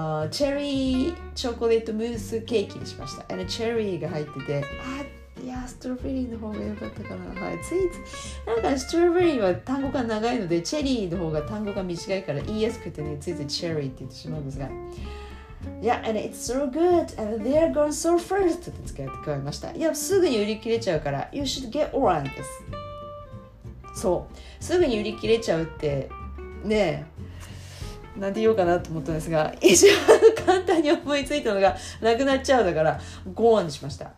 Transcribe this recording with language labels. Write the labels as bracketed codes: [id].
[ja] チェリーチョコレートムースケーキにしました。 [en] And a cherry [ja] が入ってて、あ、いや、ストロベリーの方が良かったかな。はい、ついつなんかストロベリーは単語が長いので、チェリーの方が単語が短いから言いやすくてね、ついついチェリーって言ってしまうんですが。 [en] Yeah, and it's so good, and they're gone so fast. [ja] って使って買いました。いや、すぐに売り切れちゃうから、 [en] You should get one [ja] です。そう、すぐに売り切れちゃうって、ねえ、なんて言おうかなと思ったんですが、一番簡単に思いついたのが、なくなっちゃうだから、 [en] go on [ja] にしました。